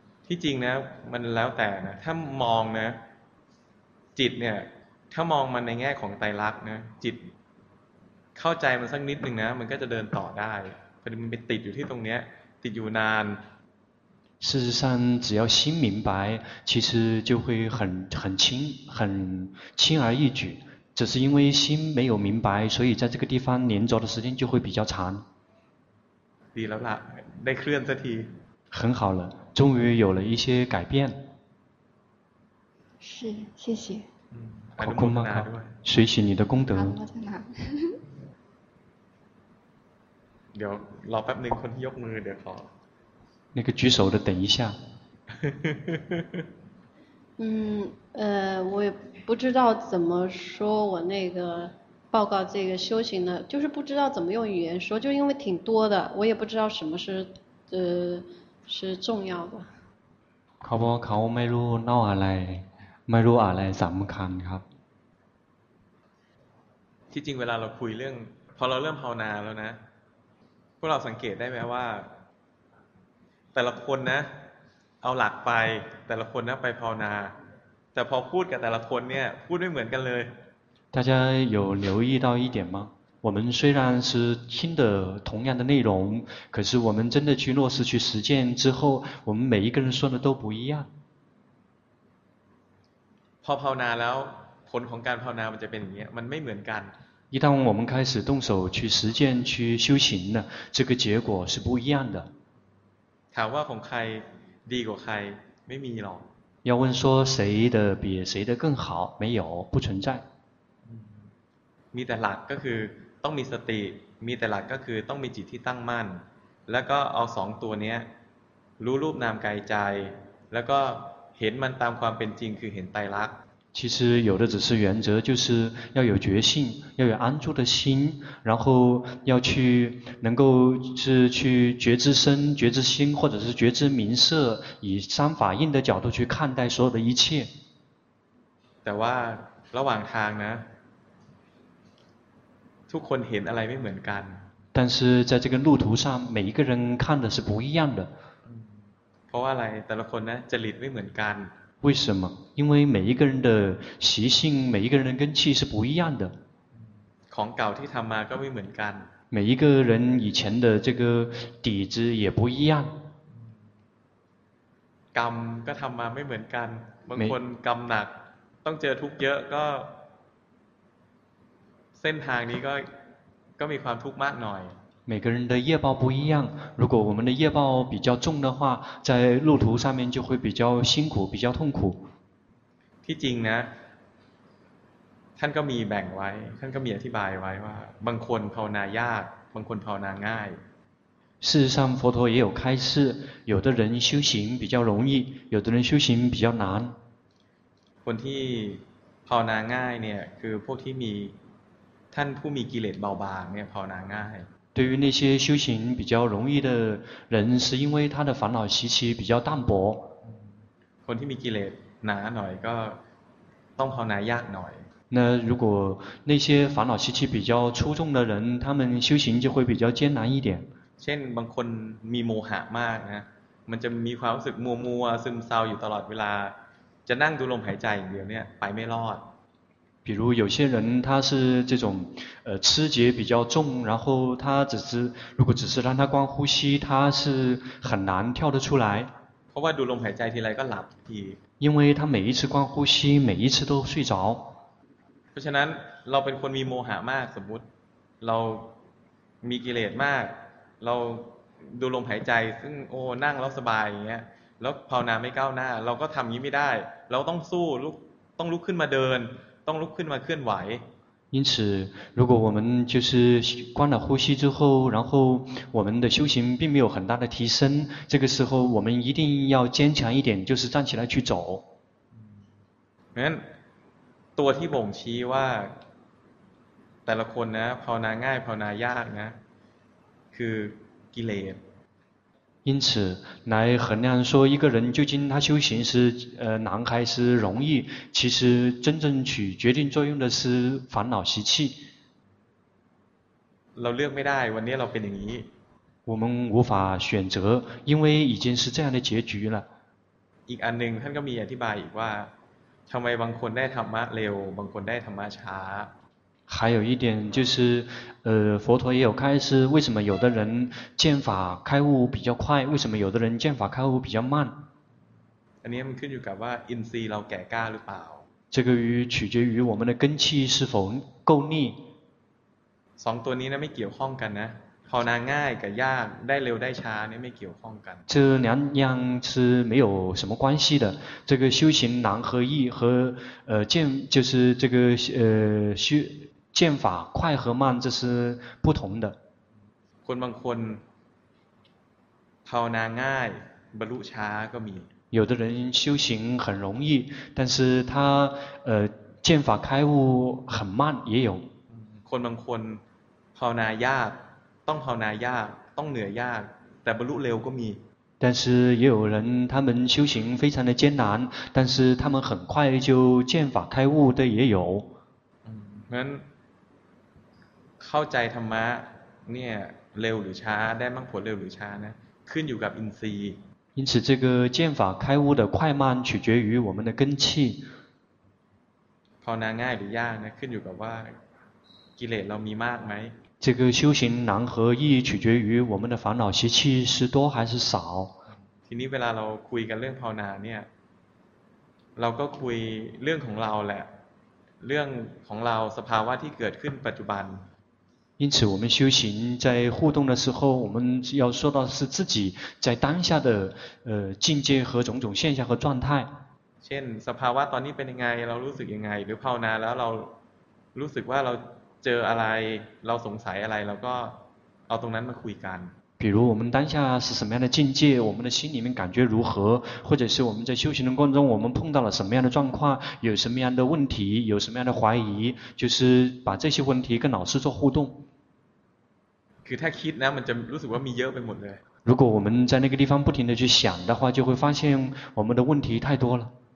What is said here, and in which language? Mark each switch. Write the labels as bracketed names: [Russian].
[Thai] ที่จริงนะมันแล้วแต่นะถ้ามองนะจิตเนี่ยถ้ามองมันในแง่ของไตรลักษณ์นะจิตเข้าใจมันสักนิดหนึ่งนะมันก็จะเดินต่อได้พอมันไปติดอยู่ที่ตรงนี้ติดอยู่นาน [Chinese] 事实上只要心明白其实就会很轻很轻而易举只是因为心没有明白所以在这个地方黏着的时间就会比较长 [Thai] ดีแล้วล่ะได้เคลื่อนสักที [Chinese] 很好了终于有了一些改变是谢谢好空吗随喜你的功德 [Thai] เดี๋ยวรอแป๊บนึงคนที่ยกมือเดี๋ยวขอ [Chinese] 那个举手的等一下我也不知道怎么说我那个报告这个修行的就是不知道怎么用语言说就因为挺多的我也不知道什么是是重要的 [Thai] เขาบอกเขาไม่รู้เล่าอะไรไม่รู้อะไรสำคัญครับ ที่จริงเวลาเราคุยเรื่องพอเราเริ่มภาวนาแล้วนะพวกเราสังเกตได้ไหมว่าแต่ละคนนะเอาหลักไปแต่ละคนนะไปภาวนาแต่พอพูดกับแต่ละคนเนี่ยพูดไม่เหมือนกันเลย [Chinese] 大家有留意到一点吗我们虽然是听的同样的内容，可是我们真的去落实去实践之后，我们每一个人说的都不一样。 [Thai] พอภาวนาแล้วผลของการภาวนามันจะเป็นอย่างนี้มันไม่เหมือนกัน [Chinese] 一旦我们开始动手去实践去修行呢，这个结果是不一样的。 [Thai] ถามว่าของใครดีกว่าใครไม่มีหรอก [Chinese] 要问说谁的比谁的更好，没有，不存在。 [Thai] มีแต่หลักก็คือต้องมีสติมีแต่หลักก็คือต้องมีจิตที่ตั้งมั่นแล้วก็เอาสองตัวนี้รู้รูปนามกายใจแล้วก็เห็นมันตามความเป็นจริงคือเห็นไตรลักษณ์ [Chinese] 其实有的只是原则就是要有觉性要有安住的心然后要去能够是去觉知身觉知心或者是觉知名色以三法印的角度去看待所有的一切 [Thai] แต่ว่าระหว่างทางนะทุกคนเห็นอะไรไม่เหมือนกัน [Chinese] 但是在这个路途上每一个人看的是不一样的 [Thai] เพราะอะไรแต่ละคนนะจริตไม่เหมือนกัน [Chinese] 为什么因为每一个人的习性每一个人根气是不一样的 [Thai] ของเก่าที่ทำมาก็ไม่เหมือนกัน [Chinese] 每一个人以前的这个底子也不一样 [Thai] กรรมก็ทำมาไม่เหมือนกันบางคนกรรมหนักต้องเจอทุกข์เยอะก็เส้นทางนี้ก็มีความทุกข์มากหน่อย [Chinese] 每个人的业报不一样如果我们的业报比较重的话在路途上面就会比较辛苦比较痛苦 [Thai] ที่จริงนะท่านก็มีแบ่งไว้ท่านก็มีอธิบายไว้ว่าบางคนภาวนายากบางคนภาวนาง่าย [Chinese] 事实上佛陀也有开示有的人修行比较容易有的人修行比较难 [Thai] คนที่ภาวนาง่ายเนี่ยคือพวกที่มีท่านผู้มีกิเลสเบาบางเนี่ยภาวนาง่าย [Chinese] 对于那些修行比较容易的人是因为他的烦恼习气比较淡薄 [Thai] คนที่มีกิเลสหนาหน่อยก็ต้องภาวนายากหน่อย [Chinese] 那如果那些烦恼习气比较出众的人他们修行就会比较艰难一点 [Thai] เช่นบางคนมีโมหะมากนะมันจะมีความรู้สึกมัวมัวซึมเศร้าอยู่ตลอดเวลาจะนั่งดูลมหายใจอย่างเดียวเนี่ยไปไม่รอด [Chinese] 比如有些人他是这种痴结比较重然后他只是如果只是让他光呼吸他是很难跳得出来 [Thai] เพราะว่าดูลมหายใจทีไรก็หลับที [Chinese] 因为他每一次光呼吸每一次都睡着 [Thai] เพราะฉะนั้นเราเป็นคนมีโมหะมากสมมุติเรามีกิเลสมากเราดูลมหายใจซึ่งโอ้นั่งแล้วสบายอย่างเงี้ยแล้วภาวนาไม่ก้าวหน้าเราก็ทํางี้ไม่ได้เราต้องสู้ต้องลุกขึ้นมาเดินต้องลุกขึ้นมาเคลื่อนไหว [Chinese] 因此如果我们就是关了呼吸之后然后我们的修行并没有很大的提升这个时候我们一定要坚强一点就是站起来去走 [Thai] เพราะฉะนั้นตัวที่บ่งชี้ว่าแต่ละคนนะภาวนาง่ายภาวนายากนะคือกิเลส [Chinese] 因此来衡量说一个人究竟他修行是难还是容易其实真正取决定作用的是烦恼习气 [Thai] เราเลือกไม่ได้วันนี้เราเป็นอย่างนี้ [Chinese] 我们无法选择因为已经是这样的结局了 [Thai] อีกอันหนึ่งท่านก็มีอธิบายอีกว่าทำไมบางคนได้ธรรมะเร็วบางคนได้ธรรมะช้า [Chinese] 还有一点就是佛陀也有开示为什么有的人见法开悟比较快为什么有的人见法开悟比较慢 [Thai] อันนี้มันขึ้นอยู่กับว่าอินทรีย์เราแก่กล้าหรือเปล่า [Chinese] 这个取决于我们的根气是否够力 [Thai] สองตัวนี้นะไม่เกี่ยวข้องกันนะภาวนาง่ายกับยากได้เร็วได้ช้านี่ไม่เกี่ยวข้องกัน [Chinese] 这两样是没有什么关系的这个修行难和易和见就是这个修剑法快和慢这是不同的 [Thai] คนบางคนภาวนาง่ายบรรลุช้าก็มี [Chinese] 有的人修行很容易但是他剑法开悟很慢也有 [Thai] คนบางคนภาวนายากต้องภาวนายากต้องเหนื่อยยากแต่บรรลุเร็วก็มี [Chinese] 但是也有人他们修行非常的艰难但是他们很快就剑法开悟的也有 [Thai] งั้นเข้าใจธรรมะเนี่ยเร็วหรือช้าได้มรรคผลเร็วหรือช้านะขึ้นอยู่กับอินทรีย์ [Chinese] 因此这个剑法开悟的快慢取决于我们的根气 [Thai] ภาวนาง่ายหรือยากนะขึ้นอยู่กับว่า กิเลสเรามีมากไหม [Chinese] 这个修行难和易取决于我们的烦恼习气是多还是少 [Thai] ทีนี้เวลาเราคุยกันเรื่องภาวนาเนี่ยเราก็คุยเรื่องของเราแหละเรื่องของเราสภาวะที่เกิดขึ้นปัจจุบัน [Chinese] 因此我们修行在互动的时候我们要说到是自己在当下的境界和种种现象和状态 [Thai] เช่นสภาวะตอนนี้เป็นยังไงเรารู้สึกยังไงหรือภาวนาแล้วเรารู้สึกว่าเราเจออะไรเราสงสัยอะไรเราก็เอาตรงนั้นมาคุยกัน [Chinese] 比如我们当下是什么样的境界我们的心里面感觉如何或者是我们在修行的过程中我们碰到了什么样的状况有什么样的问题有什么样的怀疑就是把这些问题跟老师做互动 [Thai] คือถ้าคิดนะมันจะรู้สึกว่ามีเยอะไปหมดเลย [Chinese] 如果我们在那个地方不停的去想的话就会发现我们的问题太多了